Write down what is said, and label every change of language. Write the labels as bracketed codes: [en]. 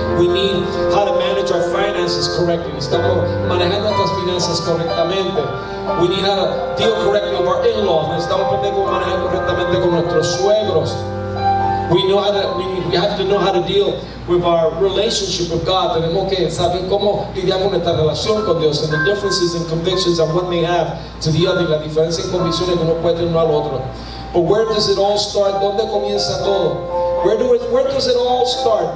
[en] We need how to manage our finances correctly. [es] Estamos manejando nuestras finanzas correctamente. [en] We need how to deal correctly with our in-laws. [es] Necesitamos aprender cómo manejar correctamente con nuestros suegros. [en] We have to know how to deal with our relationship with God. [es] Tenemos que saber cómo lidiar con esta relación con Dios, [en] and the differences and convictions that one may have to the other, [es] la diferencia en convicciones que uno puede tener uno al otro. [en] But where does it all start? [es] ¿Dónde comienza todo? [en] Where does it all start?